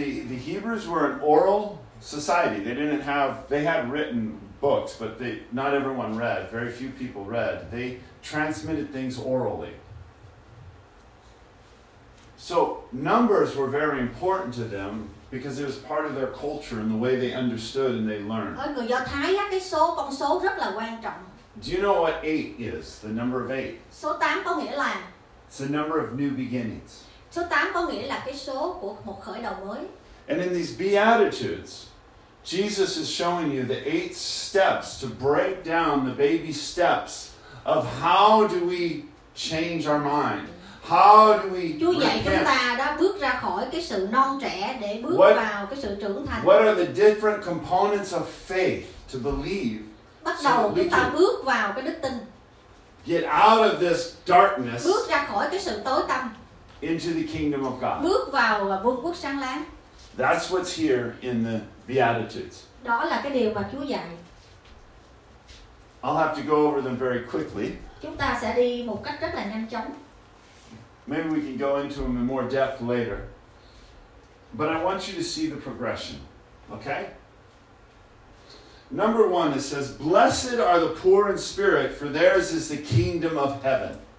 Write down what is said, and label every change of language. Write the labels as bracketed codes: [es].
[en] The Hebrews were an oral society. They had written books, but not everyone read. Very few people read. They transmitted things orally. So numbers were very important to them because it was part of their culture and the way they understood and they learned. [vi] Ở người Do Thái á, cái số, con số rất là quan trọng. [en] Do you know what 8 is? The number of 8. [vi] Số 8 có nghĩa là [en] it's the number of new beginnings. [vi] Số 8 có nghĩa là cái số của một khởi đầu mới. [en] And in these Beatitudes, Jesus is showing you the 8 steps to break down the baby steps of how do we change our mind. How do we [vi] Chúa dạy [en] repent? [vi] Chúng ta đã bước ra khỏi cái sự non trẻ để bước vào cái sự trưởng thành. [en] What are the different components of faith to believe? [vi] Bắt đầu chúng ta bước vào cái đức tin. [en] Get out of this darkness. [vi] Bước ra khỏi cái sự tối tăm. [en] Into the kingdom of God. [vi] Bước vào vương quốc sáng láng. [en] That's what's here in the Beatitudes. [vi] Đó là cái điều mà Chúa dạy. [en] I'll have to go over them very quickly. [vi] Chúng ta sẽ đi một cách rất là nhanh chóng. [en] Maybe we can go into them in more depth later. But I want you to see the progression, okay? Number one, it says, "Blessed are the poor in spirit, for theirs is the kingdom of heaven."